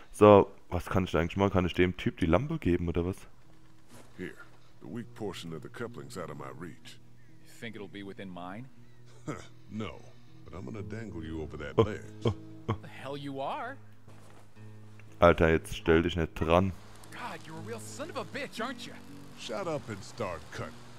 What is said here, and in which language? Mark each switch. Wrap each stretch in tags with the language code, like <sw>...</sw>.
<de>So, was kann ich eigentlich mal? Kann ich dem Typ die Lampe geben oder was?</de> <en>Here. The weak portion of the coupling's out of my reach. You think it'll be within mine? No, but I'm gonna dangle you over that ledge. The hell you are!</en> <de>Alter, jetzt stell dich nicht dran.</de> <en>God, you're a real son of a bitch, aren't you? Shut up and start cutting.</en>